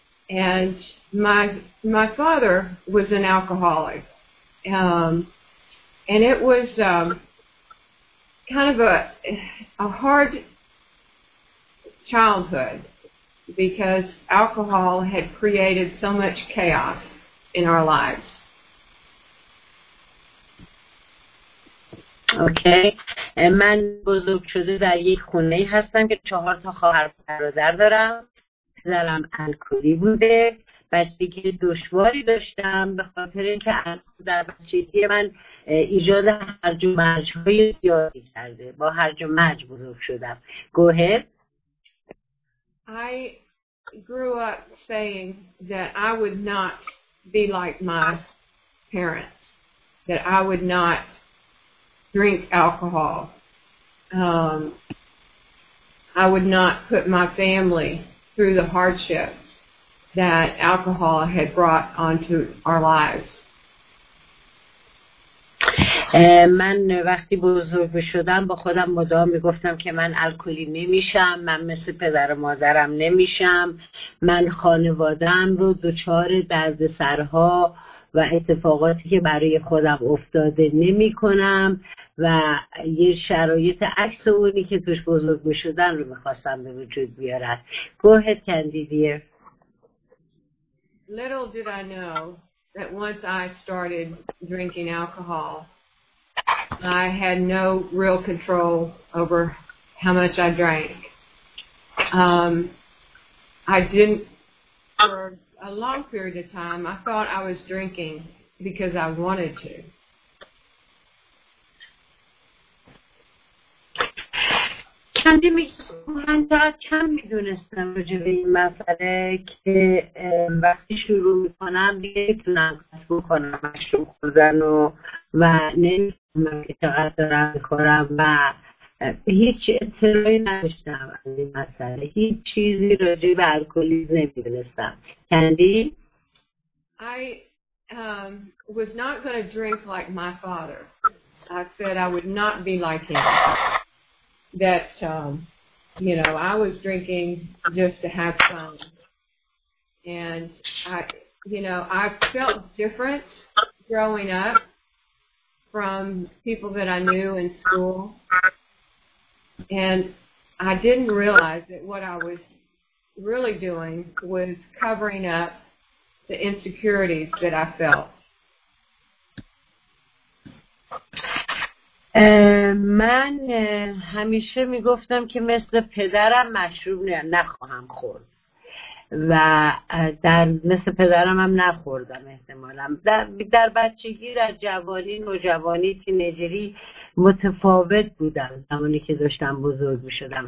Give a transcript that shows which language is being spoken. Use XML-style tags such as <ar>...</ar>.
<en>And my father was an alcoholic, and it was kind of a hard childhood because alcohol had created so much chaos in our lives.</en> <fa>اوکی. من بزرگ شده در یک خونه هستم که 4 تا خواهر برادر دارم. پدرم الکلی بوده، بچگی دشواری داشتم به خاطر اینکه الکل در بچگی من ایجاد هرج و مرج های زیادی کرده. با هرج و مرج بزرگ شدم.</fa> <en>Go ahead. I grew up saying that I would not be like my parents, that I would not drink alcohol. I would not put my family through the hardships that alcohol had brought onto our lives.</en> <fa>من وقتی بزرگ شدم با خودم مدام میگفتم که من الکلی نمیشم، من مثل پدر و مادرم نمیشم، من خانوادم رو دچار دردسرها و اتفاقاتی که برای خودم افتاده نمی کنم، و یه شرایط عکس اونی که توش بزرگ می شدن رو می خواستم به وجود بیارم.</fa> <en>Go ahead, Candy dear. Little did I know that once I started drinking alcohol, I had no real control over how much I drank. I didn't for a long period of time, I thought I was drinking because I wanted to.</en> <fa>کندی میگه من چقدر کم میدونستم راجع به این مسئله که وقتی شروع میکنم دیگه میتونم قطع بکنم مشروب خوردن و نمیدونم که چقدر دارم میکنم و هیچ اطلاعی نداشتم از این مسئله، هیچ چیزی راجع به الکلی نمیدونستم. کندی</fa> <en>I was not going to drink like my father. I said I would not be like him. That, you know, I was drinking just to have fun. And, I felt different growing up from people that I knew in school. And I didn't realize that what I was really doing was covering up the insecurities that I felt.</en> <fa>من همیشه میگفتم که مثل پدرم مشروب نخواهم خورد، و در مثل پدرم هم نخوردم احتمالاً. در بچگی، در جوانی، نوجوانی، تینیجری متفاوت بودم زمانی که داشتم بزرگ می‌شدم.</fa>